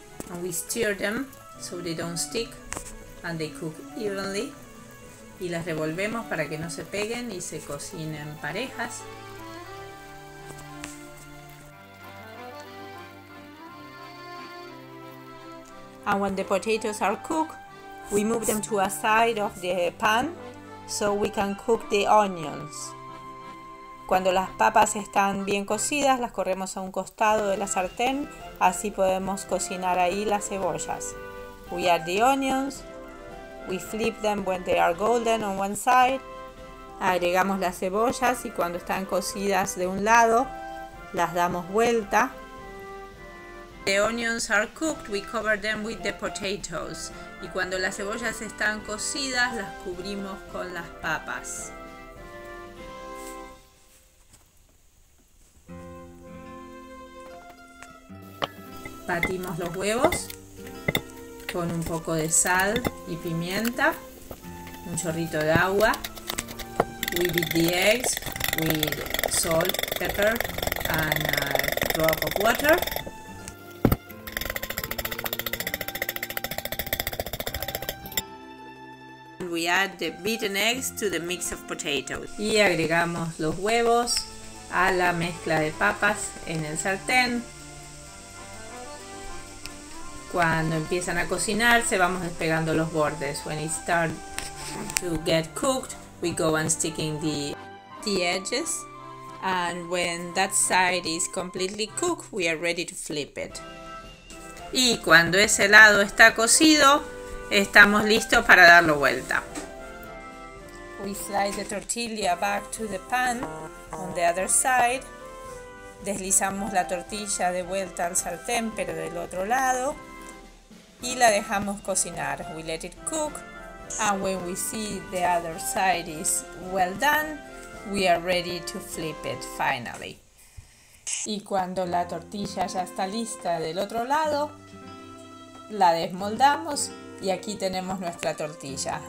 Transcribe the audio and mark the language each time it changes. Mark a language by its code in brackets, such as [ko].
[en] And we stir them so they don't stick and they cook evenly. [es] Y las revolvemos para que no se peguen y se cocinen parejas. [en] And when the potatoes are cooked, we move them to a side of the pan so we can cook the onions. [es] Cuando las papas están bien cocidas, las corremos a un costado de la sartén. Así podemos cocinar ahí las cebollas. [en] We add the onions. We flip them when they are golden on one side. [es] Agregamos las cebollas y cuando están cocidas de un lado, las damos vuelta. [en] The onions are cooked, we cover them with the potatoes. [es] Y cuando las cebollas están cocidas, las cubrimos con las papas. Batimos los huevos con un poco de sal y pimienta, un chorrito de agua. [en] We beat the eggs with salt, pepper, and a drop of water. We add the beaten eggs to the mix of potatoes. [es] Y agregamos los huevos a la mezcla de papas en el sartén. Cuando empiezan a cocinarse, vamos despegando los bordes. [en] When it starts to get cooked, we go on sticking the edges. And when that side is completely cooked, we are ready to flip it. [es] Y cuando ese lado está cocido, estamos listos para darlo vuelta. [en] We slide the tortilla back to the pan on the other side. [es] Deslizamos la tortilla de vuelta al sartén, pero del otro lado, y la dejamos cocinar. [en] We let it cook, and when we see the other side is well done, we are ready to flip it finally. [es] Y cuando la tortilla ya está lista del otro lado, la desmoldamos y aquí tenemos nuestra tortilla.